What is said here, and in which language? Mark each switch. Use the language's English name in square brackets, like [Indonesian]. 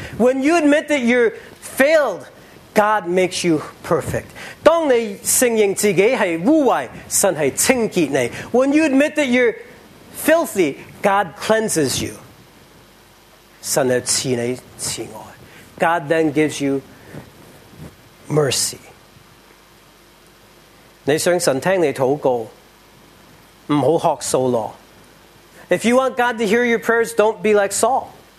[English] When you admit that you're failed, God makes you perfect. [Chinese] 当你承认自己是污秽,神是清洁你。 [English] When you admit that you're filthy, God cleanses you. [Chinese] 神是使你慈爱。 [English] God then gives you mercy. [Chinese] 你想神听你祷告,不要学扫罗。 [English] If you want God to hear your prayers, don't be like Saul.